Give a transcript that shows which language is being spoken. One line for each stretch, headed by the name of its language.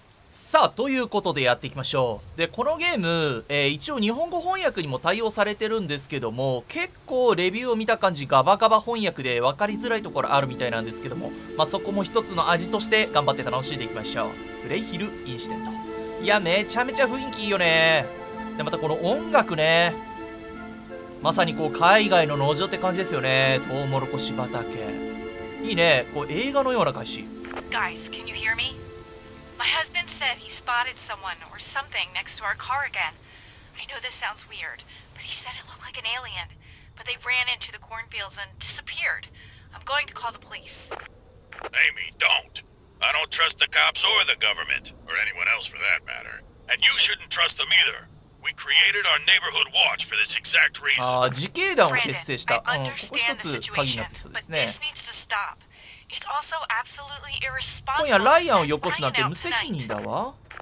Japanese: さあ、ということでやっていきましょう。で、このゲーム、一応日本語翻訳にも対応されてるんですけども、結構レビューを見た感じガバガバ翻訳で分かりづらいところあるみたいなんですけども、まあそこも一つの味として頑張って楽しんでいきましょう。グレイヒルインシデント、いや、めちゃめちゃ雰囲気いいよね。で、またこの音楽ね、まさにこう海外の農場って感じですよね。トウモロコシ畑、いいね、こう映画のような感じ。
English: Guys, can you hear me? My husband said he spotted someone or something next to our car again. I know this sounds weird, but he said it looked like an alien. But they ran into the cornfields and disappeared. I'm going to call the police. Amy, don't. I don't trust the cops or the government, or anyone else for that matter. And you shouldn't trust them either. We created our neighborhood watch for this exact reason.
Japanese: ああ、自警団を結成した。
English: Brandon, I understand the situation, but this needs to stop. It's also absolutely irresponsible.
Japanese: 今夜ライアンをよこすなんて無責任だわ。